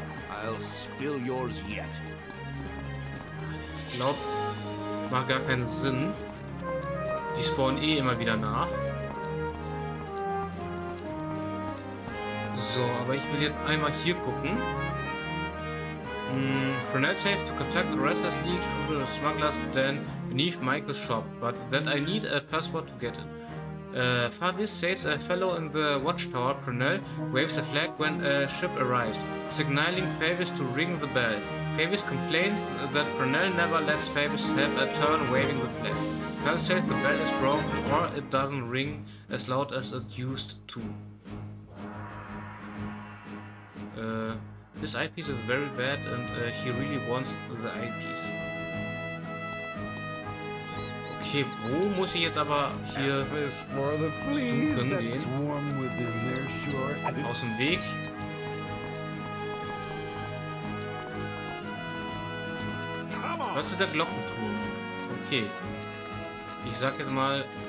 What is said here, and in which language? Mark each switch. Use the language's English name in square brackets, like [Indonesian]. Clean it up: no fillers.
[English] I'll spill yours yet. [German] Glaub, macht gar keinen Sinn. Die spawnen eh immer wieder nach. So, aber ich will jetzt einmal hier gucken. [English] Renel says to contact the restless lead through the smugglers den beneath Michael's shop, but that I need a password to get in. Favis says a fellow in the watchtower, Prunell, waves a flag when a ship arrives, signaling Favis to ring the bell. Favis complains that Prunell never lets Favis have a turn waving the flag. Prunell says the bell is broken or it doesn't ring as loud as it used to. This eyepiece is very bad and he really wants the eyepiece. [German] Okay, wo muss ich jetzt aber hier suchen gehen? Aus dem Weg. Was ist der Glockenturm? Okay. Ich sag jetzt mal